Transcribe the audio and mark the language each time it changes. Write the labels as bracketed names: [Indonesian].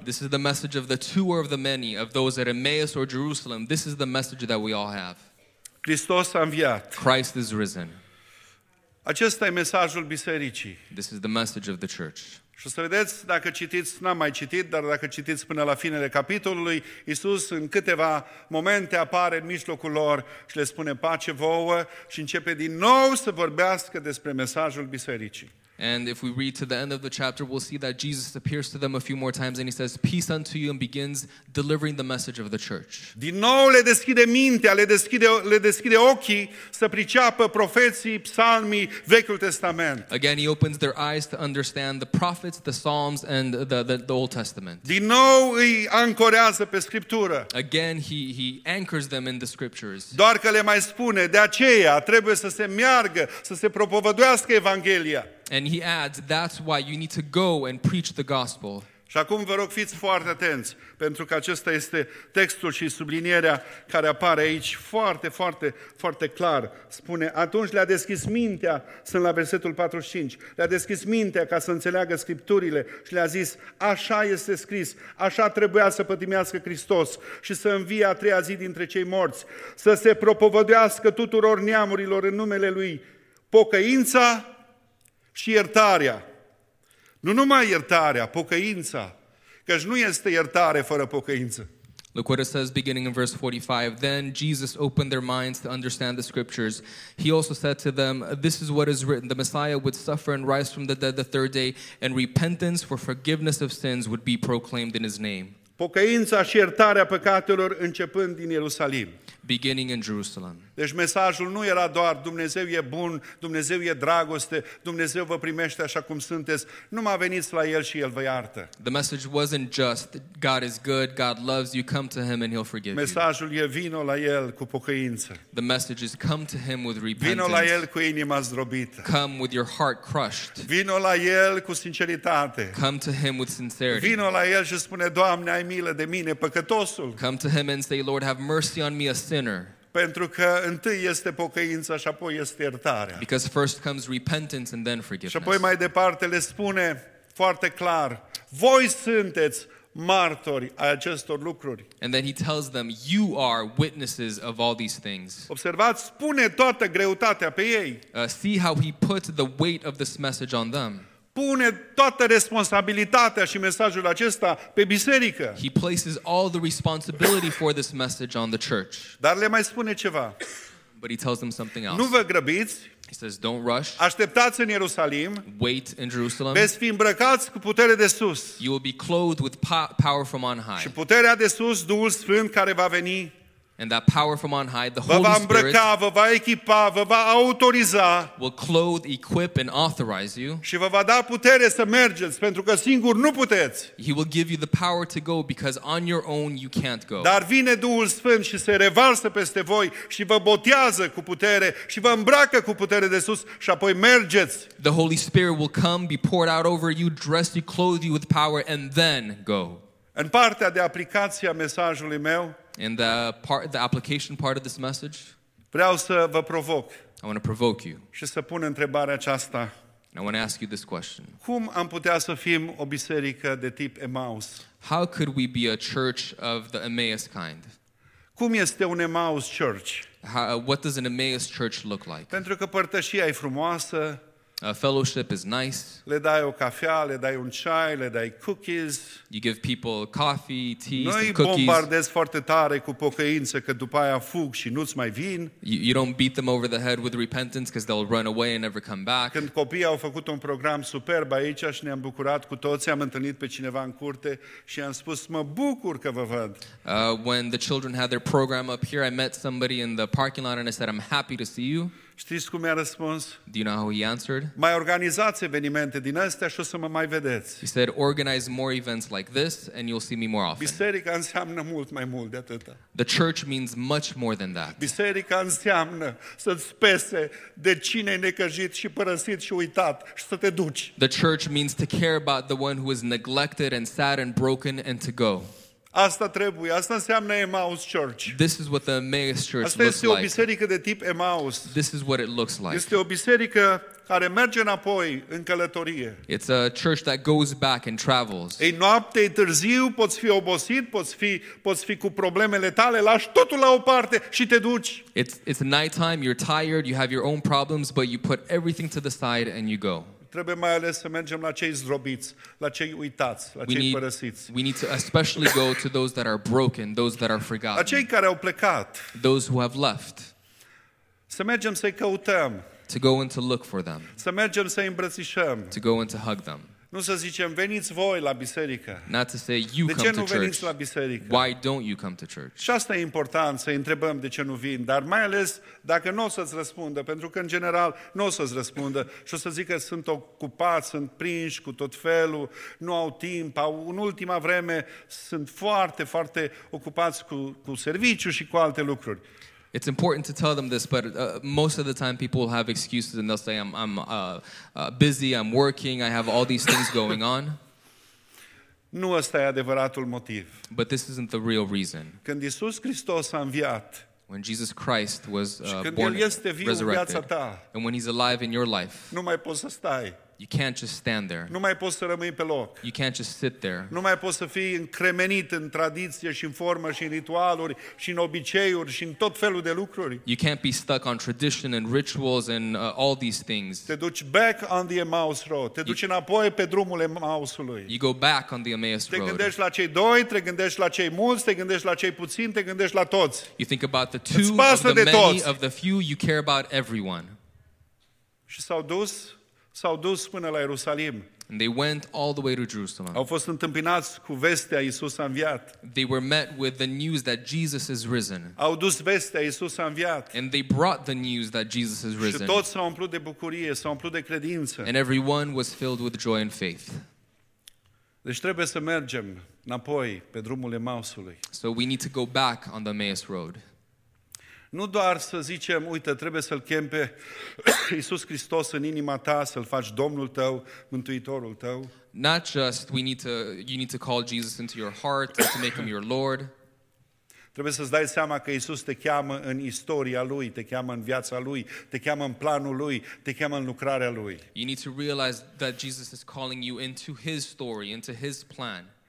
[English] This is the message of the two or of the many, of those at Emmaus or Jerusalem. This is the message that we all have. [Romanian] Hristos a înviat. [English] Christ is risen. [Romanian] Acesta e mesajul bisericii. [English] This is the message of the church. [Romanian] Și o să vedeți, dacă citiți, n-am mai citit, dar dacă citiți până la finele capitolului, Iisus în câteva momente apare în mijlocul lor și le spune pace vouă și începe din nou să vorbească despre mesajul bisericii. [English] And if we read to the end of the chapter, we'll see that Jesus appears to them a few more times and he says, peace unto you, and begins delivering the message of the church. [Romanian] Din nou le deschide mintea, le deschide ochii să priceapă profeții, psalmii, Vechiul Testament. [English] Again, he opens their eyes to understand the prophets, the psalms, and the Old Testament. [Romanian] Din nou îi ancorează pe Scriptură. [English] Again, he anchors them in the Scriptures. [Romanian] Doar că le mai spune, de aceea trebuie să se meargă, să se propovăduiască Evanghelia. [English] And he adds, that's why you need to go and preach the gospel. [Romanian] Și acum vă rog fiți foarte atenți, pentru că acesta este textul și sublinierea care apare aici foarte, foarte, foarte clar. Spune, atunci le-a deschis mintea, sunt la versetul 45, le-a deschis mintea ca să înțeleagă Scripturile și le-a zis, așa este scris, așa trebuia să pătimească Hristos și să învie a treia zi dintre cei morți, să se propovăduiască tuturor neamurilor în numele Lui, pocăința și iertarea. Nu numai iertarea, pocăința, căci nu este iertare fără pocăință. [English] Look what it says beginning in verse 45. Then Jesus opened their minds to understand the scriptures. He also said to them, this is what is written, the Messiah would suffer and rise from the dead the third day, and repentance for forgiveness of sins would be proclaimed in his name. [Romanian] Pocăința și iertarea păcatelor începând din Ierusalim. [English] Beginning in Jerusalem. [Romanian] Deci mesajul nu era doar Dumnezeu e bun, Dumnezeu e dragoste, Dumnezeu vă primește așa cum sunteți, numai veniți la El și El vă iartă. [English] The message wasn't just God is good, God loves you, come to Him and He'll forgive you. [Romanian] Mesajul e vino la El cu pocăință. [English] The message is come to Him with repentance. [Romanian] Vino la El cu inima zdrobită. [English] Come with your heart crushed. [Romanian] Vino la El cu sinceritate. [English] Come to Him with sincerity. [Romanian] Vino la El și spune, Doamne, ai milă de mine, păcătosul. [English] Come to Him and say, Lord, have mercy on me, a sinner. [Romanian] Pentru că întâi este pocăința și apoi este iertarea. [English] Because first comes repentance and then forgiveness. [Romanian] Și apoi mai departe le spune foarte clar, voi sunteți martori ai acestor lucruri. [English] And then he tells them, you are witnesses of all these things. [Romanian] Observați, spune toată greutatea pe ei. [English] See how he put the weight of this message on them. [Romanian] Pune toată responsabilitatea și mesajul acesta pe biserică. [English] He places all the responsibility for this message on the church. [Romanian] Dar le mai spune ceva. [English] But he tells them something else. [Romanian] Nu vă grăbiți. [English] He says, don't rush. [Romanian] Așteptați în Ierusalim. [English] Wait in Jerusalem. [Romanian] Veți fi îmbrăcați cu putere de sus. [English] You will be clothed with power from on high. [Romanian] Și puterea de sus, Duhul Sfânt care va veni. [English] And that power from on high, the Holy [Romanian] Spirit, vă va îmbrăca, vă va echipa, vă va autoriza, [English] will clothe, equip, and authorize you. [Romanian] Și vă va da putere să mergeți, pentru că singur nu puteți. [English] He will give you the power to go because on your own you can't go. [Romanian] Dar vine Duhul Sfânt și se revarsă peste voi și vă botează cu putere și vă îmbracă cu putere de sus și apoi mergeți. [English] The Holy Spirit will come, be poured out over you, dress you, clothe you with power, and then go. [Romanian] În partea de aplicație a mesajului meu, [English] in the application part of this message, [Romanian] vreau să vă provoc. [English] I want to provoke you. [Romanian] Și să pun întrebarea aceasta. [English] I want to ask you this question. [Romanian] Cum am putea să fim o biserică de tip Emmaus? [English] How could we be a church of the Emmaus kind? [Romanian] Cum este un [English] Emmaus church? What does an Emmaus church look like? [Romanian] Pentru că părtășia e frumoasă. [English] A fellowship is nice. [Romanian] Le dai o cafea, le dai un ceai, le dai [English] cookies. You give people coffee, tea, [Romanian] noi [English] cookies. [Romanian] Noi bombardez foarte tare cu pocăință că după aia fug și nu-ți mai vin. [English] You don't beat them over the head with repentance because they'll run away and never come back. [Romanian] Când copiii au făcut un program superb aici și ne-am bucurat cu toți, am întâlnit pe cineva în curte și am spus, mă bucur că vă văd. [English] When the children had their program up here, I met somebody in the parking lot and I said, I'm happy to see you. [Romanian] Știți cum mi-a răspuns? [English] Do you know how he answered? [Romanian] Mai organizați evenimente din astea și o să mă mai vedeți. [English] He said, organize more events like this and you'll see me more often. [Romanian] Biserica înseamnă mult mai mult de atât. [English] The church means much more than that. [Romanian] Biserica înseamnă să-ți pese de cine e necăjit și părăsit și uitat și să te duci. [English] The church means to care about the one who is neglected and sad and broken and to go. [Romanian] Asta trebuie. Asta înseamnă Emmaus Church. [English] This is what the Emmaus Church looks like. [Romanian] Asta este o biserică de tip Emmaus. [English] This is what it looks like. [Romanian] Este o biserică care merge înapoi în călătorie. [English] It's a church that goes back and travels. [Romanian] E noapte, e târziu, poți fi obosit, poți fi cu problemele tale, lași totul la o parte și te duci. [English] It's nighttime, you're tired, you have your own problems, but you put everything to the side and you go. [Romanian] Trebuie mai ales să mergem la cei zdrobiți, la cei uitați, la cei părăsiți. [English] We need to especially go to those that are broken, those that are forgotten. [Romanian] La cei care au plecat. [English] Those who have left. [Romanian] Să mergem să-i căutăm. [English] To go and to look for them. [Romanian] Să mergem să-i îmbrățișăm. [English] To go and to hug them. [Romanian] Nu să zicem, veniți voi la biserică. [English] Not to say, you come to church. [Romanian] De ce nu veniți la biserică? [English] Why don't you come to church? [Romanian] Și asta e important, să întrebăm de ce nu vin, dar mai ales dacă nu o să-ți răspundă, pentru că în general nu o să-ți răspundă și o să zic că sunt ocupați, sunt prinși cu tot felul, nu au timp, au, în ultima vreme sunt foarte, foarte ocupați cu serviciu și cu alte lucruri. [English] It's important to tell them this, but most of the time people will have excuses and they'll say, I'm busy, I'm working, I have all these things going on. [Romanian] Nu ăsta e adevăratul motiv. [English] But this isn't the real reason. [Romanian] Când Iisus Hristos a înviat, [English] when Jesus Christ was born, resurrected, ta, and when he's alive in your life, [Romanian] nu mai poți să stai. [English] You can't just stand there. [Romanian] Nu mai poți să rămâi pe loc. [English] You can't just sit there. [Romanian] Nu mai poți să fii încremenit în tradiție și în formă și în ritualuri și în obiceiuri și în tot felul de lucruri. [English] You can't be stuck on tradition and rituals and all these things. [Romanian] Te duci [English] back on the Emmaus road. [Romanian] Te duci înapoi pe drumul Emmausului. [English] You go back on the Emmaus road. [Romanian] Te gândești la cei doi, te gândești la cei mulți, te gândești la cei puțini, te gândești la toți. [English] You think about the two, of the many, [Romanian] toți. [English] Of the few, you care about everyone. [Romanian] Și s-au dus până la Ierusalim. [English] And they went all the way to Jerusalem. [Romanian] Au fost întâmpinați cu vestea Iisus a înviat. [English] They were met with the news that Jesus is risen. [Romanian] Au dus vestea Iisus a înviat. [English] And they brought the news that Jesus is risen. [Romanian] Și toți s-au umplut de bucurie, s-au umplut de credință. [English] And everyone was filled with joy and faith. [Romanian] Deci trebuie să mergem înapoi pe drumul Emmausului. [English] So we need to go back on the Emmaus road. [Romanian] Nu doar să zicem, uite, trebuie să-L chem pe Iisus Hristos în inima ta, să-L faci Domnul tău, Mântuitorul tău. [English] Not just you need to call Jesus into your heart to make Him your Lord. [Romanian] Trebuie să-ți dai seama că Iisus te cheamă în istoria Lui, te cheamă în viața Lui, te cheamă în planul Lui, te cheamă în lucrarea Lui. [English] You need to realize that Jesus is calling you into His story, into His plan.